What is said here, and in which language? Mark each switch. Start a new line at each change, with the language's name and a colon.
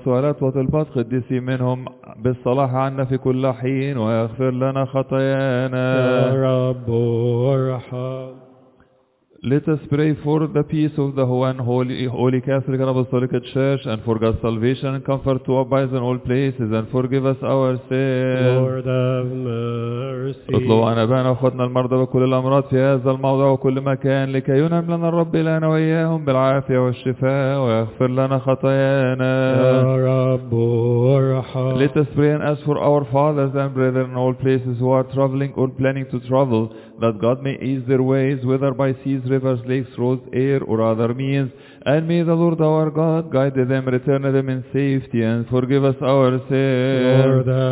Arabic: سؤالات وطلبات قدسي منهم بالصلاح عنا في كل حين ويغفر لنا خطايانا. يا رب ارحم.
English: Let us pray for the peace of the one holy Catholic and Apostolic Church, and for God's salvation and comfort to abide in all places, and forgive us our sins. Lord have mercy.
Arabic: اطلب عن ابانا واخواتنا المرضى بكل الامراض في هذا الموضع وكل مكان لكي ينعم لنا الرب الهنا واياهم بالعافيه والشفاء ويغفر لنا خطايانا. يا رب ارحم.
English: Let us pray and ask for our fathers and brethren in all places who are traveling or planning to travel, that God may ease their ways, whether by seas, rivers, lakes, roads, air, or other means. And may the Lord our God guide them, return them in safety, and forgive us our sins.